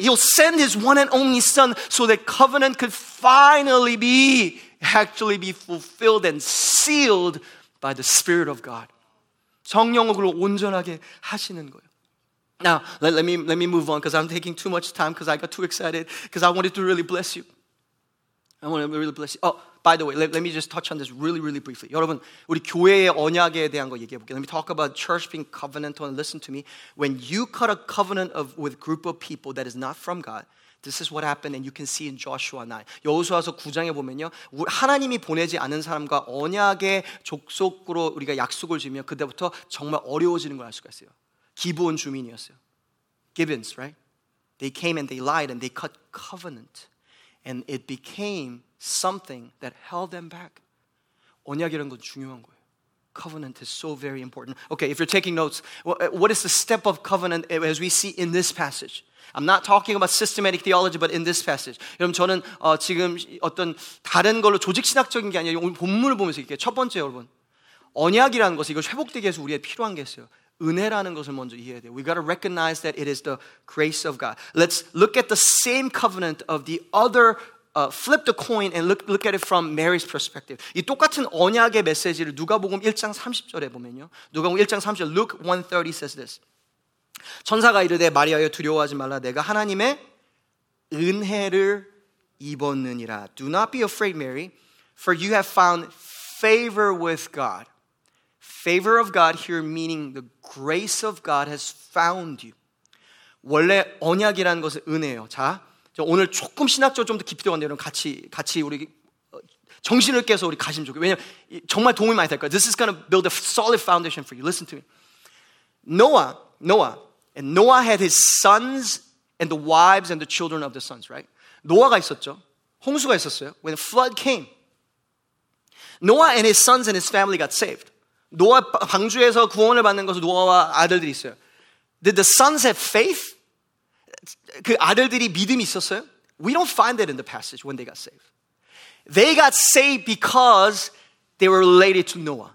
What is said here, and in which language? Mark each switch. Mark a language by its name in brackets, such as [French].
[English] He'll send his one and only son so that covenant could finally be fulfilled and sealed by the Spirit of God. [Korean] 성령으로 온전하게 하시는 거예요. [English] Now, let me move on because I'm taking too much time because I got too excited because I wanted to really bless you. I want to really bless you. Oh. By the way, let me just touch on this really, really briefly. [Korean] 여러분, 우리 교회의 언약에 대한 거 얘기해 볼게요. [English] Let me talk about church being covenantal and listen to me. When you cut a covenant with a group of people that is not from God, this is what happened and you can see in Joshua 9. [Korean] 여호수아서 9장에 보면요. 하나님이 보내지 않은 사람과 언약의 족속으로 우리가 약속을 지면 그때부터 정말 어려워지는 걸 알 수가 있어요. 기브온 주민이었어요. [English] Gibbons, right? They came and they lied and they cut covenant. And it became something that held them back. [Korean] 언약이라는 건 중요한 거예요. [English] Covenant is so very important. Okay, if you're taking notes, what is the step of covenant as we see in this passage? I'm not talking about systematic theology, but in this passage. [Korean] 여러분, 저는 지금 어떤 다른 걸로 조직신학적인 게 아니라 오늘 본문을 보면서 이렇게 첫 번째 여러분, 언약이라는 것이 이걸 회복되게 해서 우리에게 필요한 게 있어요. 은혜라는 것을 먼저 이해해야 돼요. [English] We got to recognize that it is the grace of God. Let's look at the same covenant of the other flip the coin and look at it from Mary's perspective. [Korean] 이 똑같은 언약의 메시지를 누가복음 1장 30절에 보면요. 누가복음 1장 30절 [English] Luke 1:30 says this. [Korean] 천사가 이르되 마리아여 두려워하지 말라 내가 하나님의 은혜를 입었느니라. [English] Do not be afraid, Mary, for you have found favor with God. Favor of God here meaning the grace of God has found you. [Korean] 원래 언약이라는 것은 은혜예요. 자, 오늘 조금 신학적으로 좀 더 깊이 들어간 대로 같이 우리 정신을 깨서 우리 가시면 좋겠어요. 왜냐하면 정말 도움이 많이 될 거예요. [English] This is going to build a solid foundation for you. Listen to me. Noah had his sons and the wives and the children of the sons, right? [Korean] 노아가 있었죠. 홍수가 있었어요. [English] When the flood came, Noah and his sons and his family got saved. [Korean] 노아 방주에서 구원을 받는 것은 노아와 아들들이 있어요. [English] Did the sons have faith? [Korean] 그 아들들이 믿음이 있었어요? [English] We don't find that in the passage when they got saved. They got saved because they were related to Noah.